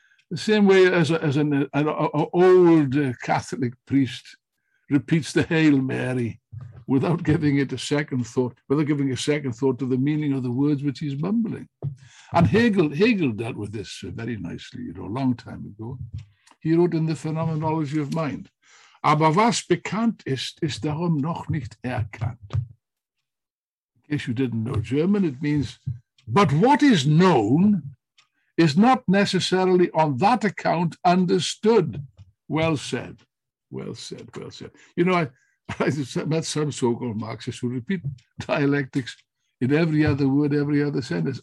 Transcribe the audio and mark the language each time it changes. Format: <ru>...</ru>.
<en>The same way as an old Catholic priest repeats the Hail Mary without giving a second thought to the meaning of the words which he's mumbling. And Hegel dealt with this very nicely, you know, a long time ago.</en> <de>He wrote in The Phenomenology of Mind, aber was bekannt ist, ist darum noch nicht erkannt.</de> <en>In case you didn't know German, it means, but what is known is not necessarily on that account understood. Well said, well said, well said. You know, I met some so-called Marxists who repeat dialectics in every other word, every other sentence.</en>